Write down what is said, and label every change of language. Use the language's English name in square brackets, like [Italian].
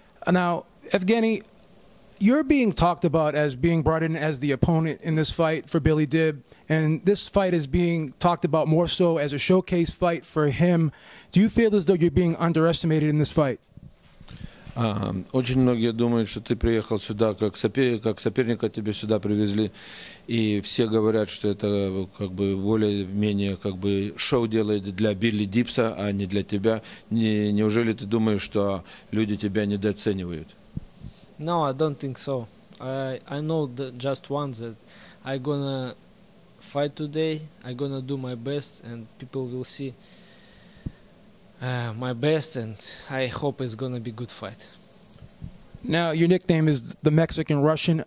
[English] Now, Evgeny, you're being talked about as being brought in as the opponent in this fight for Billy Dib, and this fight is being talked about more so as a showcase fight for him. Do you feel as though you're being underestimated in this fight? [Russian] Очень многие думают, что ты приехал сюда как соперник, как соперника тебе сюда привезли, и все говорят, что это как бы более-менее как бы шоу делает для Билли Дипса, а не для тебя. Неужели ты думаешь, что люди тебя недооценивают? [English] No, I don't think so. I know that just once that I gonna fight today. I gonna do my best, and people will see. My best, and I hope it's going to be a good fight. Now, your nickname is the Mexican-Russian.